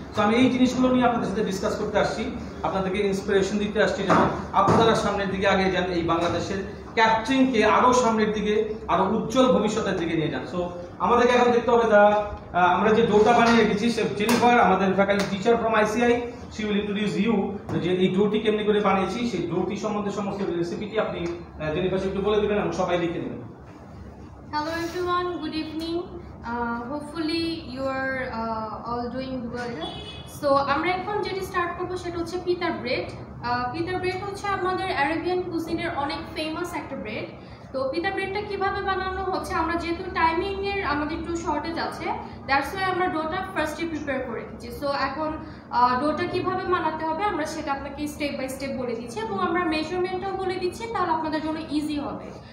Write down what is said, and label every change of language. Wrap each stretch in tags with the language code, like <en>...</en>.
<bn>তো আমি এই জিনিসগুলো নিয়ে আপনাদের সাথে ডিসকাস করতে আসছি, আপনাদেরকে ইন্সপিরেশন দিতে আসছি যেন আপনারা সামনের দিকে আগিয়ে যান, এই বাংলাদেশের ক্যাটারিংকে আরও সামনের দিকে আরও উজ্জ্বল ভবিষ্যতের দিকে নিয়ে যান। সো আমাদেরকে এখন দেখতে হবে দা আমরা যে ডোটা বানিয়ে রেখেছি শেফ জেনিফার আমাদের faculty teacher from ICI,</bn> <en>she will introduce you</en> <bn>যে এই ডোটি কেমনি করে বানিয়েছি, সেই ডোটি সম্বন্ধে সমস্ত রেসিপিটি আপনি জেনিফার একটু বলে দেবেন এবং সবাই লিখে নেবেন।</bn> <en>Hello everyone, good evening. Hopefully you are all doing well.</en> <bn>So আমরা এখন যেটি স্টার্ট করবো সেটা হচ্ছে পিতার ব্রেড। পিতার ব্রেড হচ্ছে আমাদের অ্যারেবিয়ান কুজিনের অনেক ফেমাস একটা ব্রেড। তো পিতা ব্রেডটা কীভাবে বানানো হচ্ছে, আমরা যেহেতু টাইমিংয়ের আমাদের একটু শর্টেজ আছে, দ্যাটস ওয়াই আমরা ডোটা ফার্স্টে প্রিপেয়ার করে দিচ্ছি। সো এখন ডোটা কীভাবে বানাতে হবে আমরা সেটা আপনাকে স্টেপ বাই স্টেপ বলে দিচ্ছি এবং আমরা মেজারমেন্টটাও বলে দিচ্ছি, তাহলে আপনাদের জন্য ইজি হবে।</bn>